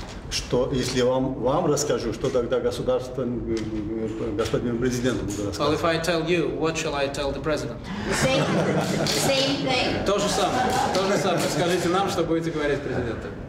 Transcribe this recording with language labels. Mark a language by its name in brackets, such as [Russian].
[Russian] Что, если я вам расскажу, что тогда господину президенту буду рассказывать? [English] Well, if I tell you, what shall I tell the president? Same thing. [Russian] То же самое. Скажите нам, что будете говорить президенту.